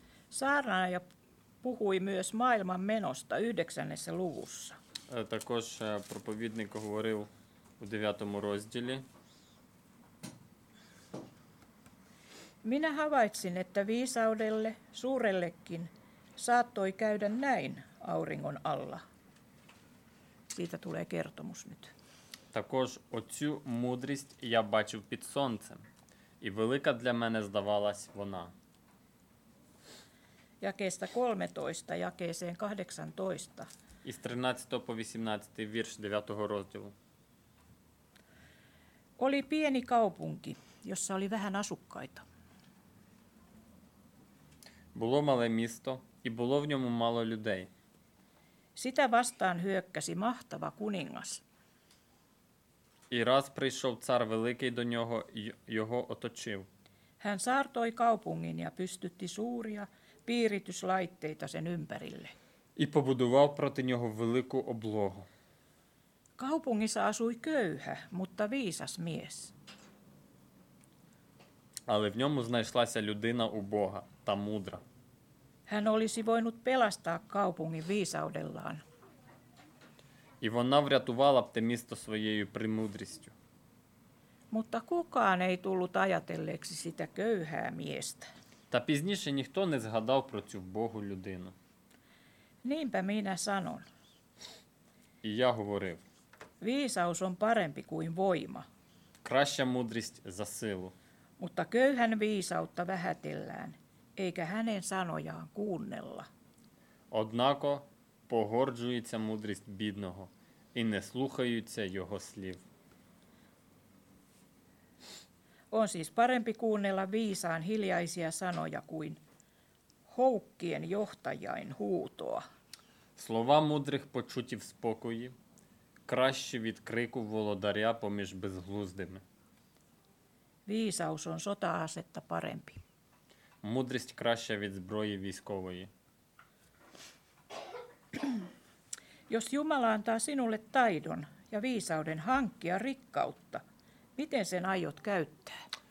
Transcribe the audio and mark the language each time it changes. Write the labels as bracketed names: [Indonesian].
[Finnish] Saarnaaja puhui myös maailman menosta 9. luvussa. [Ukrainian] Також проповідник говорив у 9 розділі. [Finnish] Minä havaitsin, että viisaudelle, suurellekin, saattoi käydä näin auringon alla. Siitä tulee kertomus nyt. [Ukrainian] Також оцю мудрість я бачив під сонцем, і велика для мене здавалась вона. [Finnish] Jakeesta 13 jakeeseen 18. [Ukrainian] Із 13 по 18 вірш 9 розділу. [Finnish] Oli pieni kaupunki, jossa oli vähän asukkaita. [Ukrainian] Було мале місто, і було в ньому мало людей. [Finnish] Sitä vastaan hyökkäsi mahtava kuningas. [Ukrainian] І раз прийшов цар великий до нього, його оточив. [Finnish] Hän saartoi kaupungin ja pystytti suuria piirityslaitteita sen ympärille. [Ukrainian] І побудував проти нього велику облогу. [Finnish] Kaupungissa asui köyhä, mutta viisas mies. [Ukrainian] Але в ньому знайшлася людина убога та мудра. [Finnish] Hän olisi voinut pelastaa kaupungin viisaudellaan. [Ukrainian] І вона врятувала б те місто своєю примудрістю. [Finnish] Mutta kukaan ei tullut ajatelleeksi sitä köyhää miestä. [Ukrainian] Та пізніше ніхто не згадав про цю вбогу людину. [Finnish] Niinpä minä sanon. [Ukrainian] І я говорив. [Finnish] Viisaus on parempi kuin voima. [Ukrainian] Краща мудрість за силу. [Finnish] Mutta köyhän viisautta vähätellään, eikä hänen sanojaan kuunnella. [Ukrainian] Однако погорджується мудрість бідного і не слухаються його слів. [Finnish] On siis parempi kuunnella viisaan hiljaisia sanoja kuin houkkien johtajain huutoa. [Ukrainian] Слова мудрих почуті в спокої краще від крику володаря поміж безглуздими. [Finnish] Viisaus on sota-asetta parempi. [Ukrainian] Мудрість краще від зброї військової. [Finnish] Jos Jumala antaa sinulle taidon ja viisauden hankkia rikkautta, miten sen aiot käyttää?